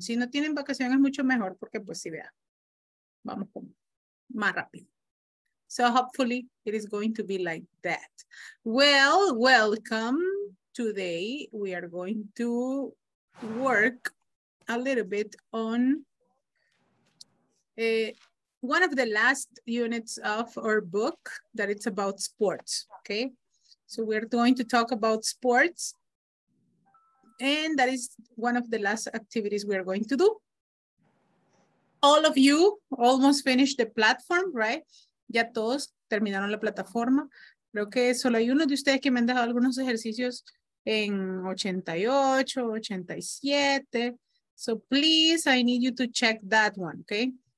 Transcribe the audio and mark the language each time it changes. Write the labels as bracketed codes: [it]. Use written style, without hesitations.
[es] Si no tienen vacaciones, es mucho mejor porque pues sí, vea. Vamos con más rápido. [en] So hopefully it is going to be like that. Well, welcome. Today we are going to work a little bit on one of the last units of our book that it's about sports, okay? So we're going to talk about sports and that is one of the last activities we are going to do. All of you almost finished the platform, right? [es] Ya todos terminaron la plataforma. Creo que solo hay uno de ustedes que me han dejado algunos ejercicios en 88, 87. [en] So please, I need you to check that one, okay?